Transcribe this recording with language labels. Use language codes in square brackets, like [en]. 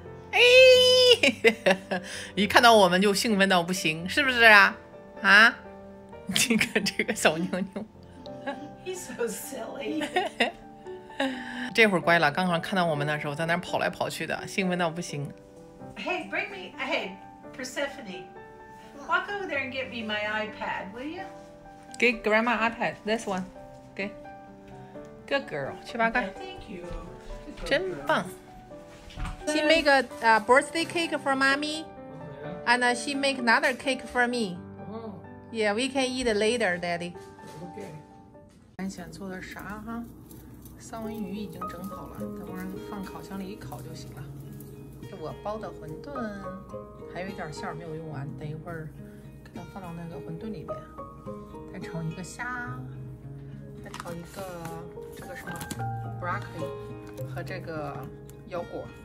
[zh] 哎，一看到我们就兴奋到不行，是不是啊？啊？你看这个小妞妞。 [en] He's so silly。 [zh] 这会儿乖了，刚刚看到我们的时候在那跑来跑去的，兴奋到不行。 [en] Hey, bring me, hey, Persephone, walk over there and get me my iPad, will you? Get grandma iPad, this one. Okay. Good girl, [zh] 去吧，乖。 [en] Thank you. [zh] 真棒。 [en] She make a birthday cake for mommy, and she make another cake for me. Yeah, we can eat later, daddy. Okay. [zh] 看选做的啥哈？三文鱼已经整好了，等会儿放烤箱里一烤就行了。这我包的馄饨还有一点馅儿没有用完，等一会儿给它放到那个馄饨里面。再炒一个虾，再炒一个这个什么 broccoli 和这个腰果。